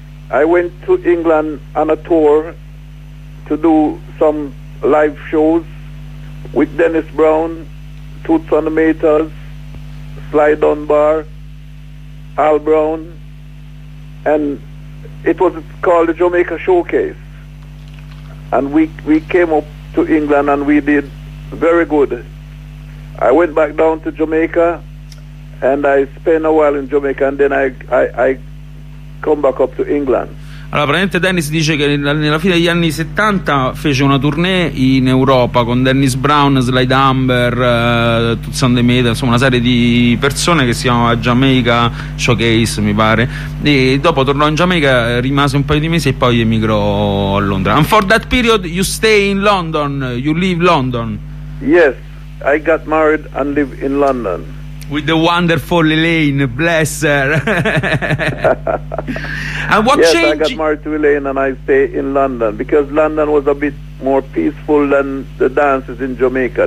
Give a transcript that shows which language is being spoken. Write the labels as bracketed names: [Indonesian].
[English] I went to England on a tour to do some live shows with Dennis Brown, Toots on the Maytals, Sly Dunbar, Al Brown, and it was called the Jamaica Showcase. And we came up to England and we did very good. I went back down to Jamaica and I spent a while in Jamaica and then I come back up to England. [Italian] Allora, praticamente Dennis dice che nella fine degli anni 70 fece una tournée in Europa con Dennis Brown, Sly Dunbar, Toots on the Maytals, insomma una serie di persone che si chiamava Jamaica Showcase, mi pare. E dopo tornò in Jamaica, rimase un paio di mesi e poi emigrò a Londra. [English] And for that period you stay in London, you live London. Yes, I got married and live in London. With the wonderful Elaine, bless her. And what yes, changed? Yes, I got married to Elaine and I stay in London because London was a bit more peaceful than the dances in Jamaica.